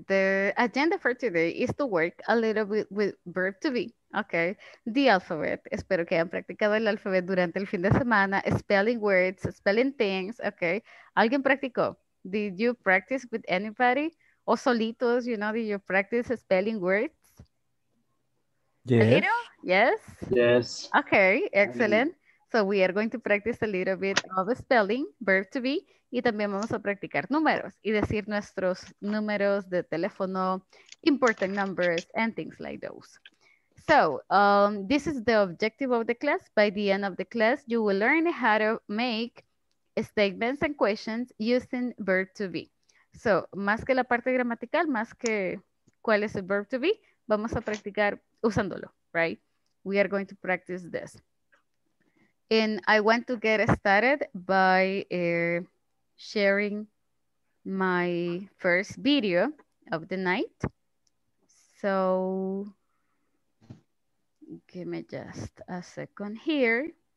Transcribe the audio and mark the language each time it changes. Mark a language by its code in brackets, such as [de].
[en] The agenda for today is to work a little bit with verb to be. Okay. The alphabet. [es] Espero que hayan practicado el alfabeto durante el fin de semana. [en] Spelling words, spelling things. Okay. [es] ¿Alguien practicó? [en] Did you practice with anybody? [es] O solitos, [en] you know, did you practice spelling words? Yes. A little? Yes? Yes. Okay, excellent. So we are going to practice a little bit of spelling, verb to be, [es] y también vamos a practicar números y decir nuestros números de teléfono, [en] important numbers, and things like those. So this is the objective of the class. By the end of the class, you will learn how to make statements and questions using verb to be. [es] So más que la parte gramatical, más que cuál es el verb to be, vamos a practicar usándolo, right? [en] We are going to practice this. And I want to get started by sharing my first video of the night. So give me just a second here.